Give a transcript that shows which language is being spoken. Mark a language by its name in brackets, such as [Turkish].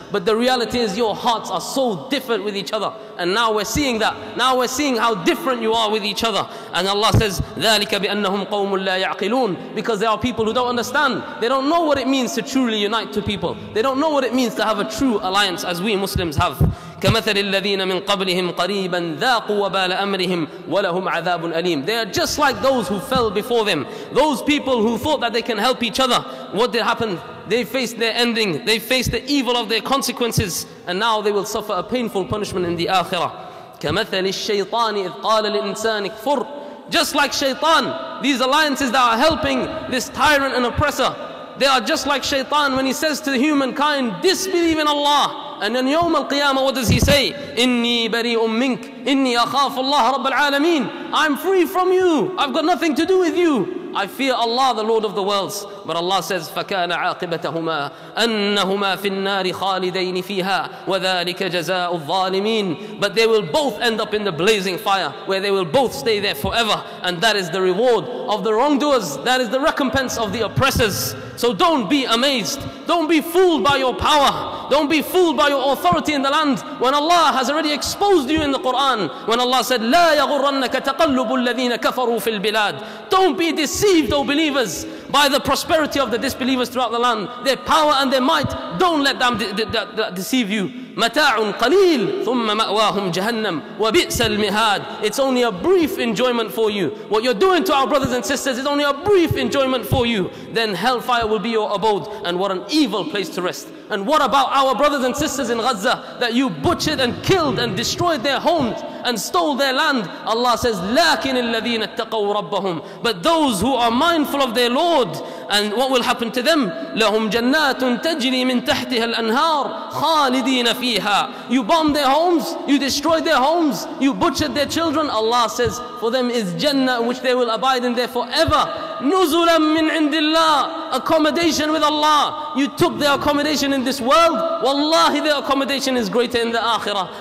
[English] But the reality is your hearts are so different with each other. And now we're seeing that. Now we're seeing how different you are with each other. And Allah says, [Arabic] ذلك بأنهم قوم لا يعقلون [English] Because there are people who don't understand. They don't know what it means to truly unite to people. They don't know what it means to have a true alliance as we Muslims have. [Arabic] كمثل الذين من قبلهم قريبا ذاقوا وبال أمرهم ولهم عذاب أليم [English] They are just like those who fell before them. Those people who thought that they can help each other. What did happen? They faced their ending. They faced the evil of their consequences. And now they will suffer a painful punishment in the Akhirah. [Arabic] كمثل الشيطان إذ قال للإنسان كفر [English] Just like shaitan, these alliances that are helping this tyrant and oppressor, they are just like shaitan when he says to humankind, disbelieve in Allah. And then [Arabic] يوم القيامة, [English] what does he say? [Arabic] إني بريء منك إني أخاف الله رب العالمين. [English] I'm free from you, I've got nothing to do with you, I fear Allah, the Lord of the worlds. But Allah says, [Arabic] فكان عاقبتهما أنهما في النار خالدين فيها وذلك جزاء الظالمين. [English] But they will both end up in the blazing fire, where they will both stay there forever, and that is the reward of the wrongdoers, that is the recompense of the oppressors. So don't be amazed, don't be fooled by your power, don't be fooled by your authority in the land, when Allah has already exposed you in the Quran, when Allah said, [Arabic] لا يغرنك تقلب الذين كفروا في البلاد. [English] Don't be deceived, O believers, by the prosperity of the disbelievers throughout the land, their power and their might. Don't let them deceive you. [Arabic] متاع قليل ثم مأواهم جهنم وبئس المهاد. [English] It's only a brief enjoyment for you. What you're doing to our brothers and sisters is only a brief enjoyment for you. Then hellfire will be your abode, and what an evil place to rest. And what about our brothers and sisters in Gaza that you butchered and killed and destroyed their homes and stole their land? Allah says, [Arabic] لكن الذين اتقوا ربهم. [English] But those who are mindful of their Lord, and what will happen to them? [Arabic] لهم جنات تجري من تحتها الأنهار خالدين فيها. [English] You bombed their homes, you destroyed their homes, you butchered their children. Allah says, for them is Jannah, which they will abide in there forever. [Arabic] نزلا من عند الله. [English] Accommodation with Allah. You took their accommodation in this world, wallahi their accommodation is greater in the Akhirah.